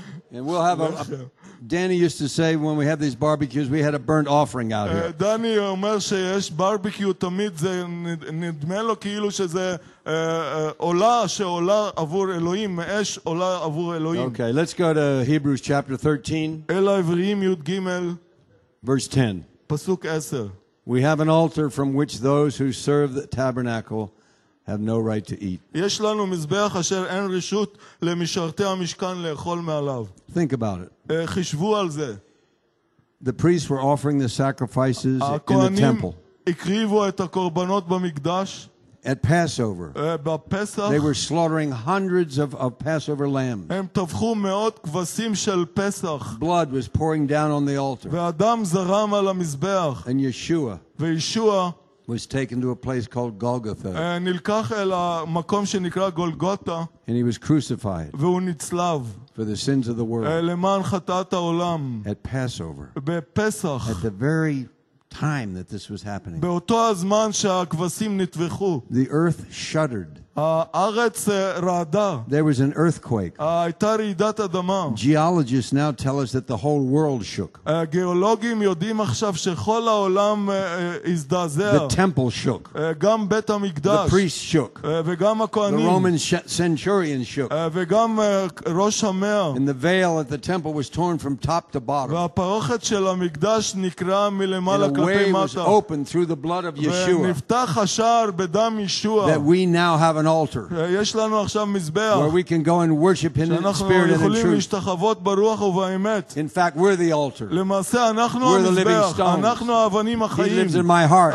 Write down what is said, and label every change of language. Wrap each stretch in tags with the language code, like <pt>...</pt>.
<en>And we'll have Danny used to say when we had these barbecues, we had a burnt offering out here.</en> <he>Danny אומר שיש ברביקיו תמיד זה נדמה לו כאילו שזה עולה שעולה עבור אלוהים, אש עולה עבור אלוהים.</he> <en>Okay, let's go to Hebrews chapter 13.</en> <he>אל העבריים י' גימל.</he> <en>Verse 10.</en> <he>פסוק 10.</he> <en>We have an altar from which those who serve the tabernacle have no right to eat.</en> <he>יש לנו מזבח אשר אין רשות למשרתי המשכן לאכול מעליו.</he> <en>Think about it.</en> <he>חשבו על זה.</he> <en>The priests were offering the sacrifices in the temple.</en> <he>הקריבו את הקורבנות במקדש.</he> <en>At Passover.</en> <he>בפסח.</he> <en>They were slaughtering hundreds of Passover lambs.</en> <he>הם טבחו מאות כבשים של פסח.</he> <en>Blood was pouring down on the altar.</en> <he>והדם זרם על המזבח.</he> <en>And Yeshua.</en> <he>וישועה</he> <en>was taken to a place called Golgotha.</en> <he>נלקח אל המקום שנקרא גולגותה.</he> <en>And he was crucified.</en> <he>והוא נצלב.</he> <en>For the sins of the world.</en> <he>למען חטאת העולם.</he> <en>At Passover.</en> <he>בפסח.</he> <en>At the very time that this was happening.</en> <he>באותו הזמן שהכבשים נטבחו.</he> <en>The earth shuddered.</en> <he>הארץ רעדה.</he> <en>There was an earthquake.</en> <he>הייתה רעידת אדמה.</he> <en>Geologists now tell us that the whole world shook.</en> <he>גיאולוגים יודעים עכשיו שכל העולם הזדעזע.</he> <en>The temple shook.</en> <he>גם בית המקדש.</he> <en>The priests shook.</en> <he>וגם הכהנים.</he> <en>The Roman centurion shook.</en> <he>וגם ראש המאה.</he> <en>And the veil at the temple was torn from top to bottom.</en> <he>והפרוכת של המקדש נקרא מלמעלה כלפי מטה.</he> <en>And a way was opened through the blood of Yeshua.</en> <he>ונפתח השער בדם ישוע.</he> <en>That we now have an altar where we can go and worship in the spirit and in truth. In fact, we're the altar. We're the living stones. He lives in my heart.</en>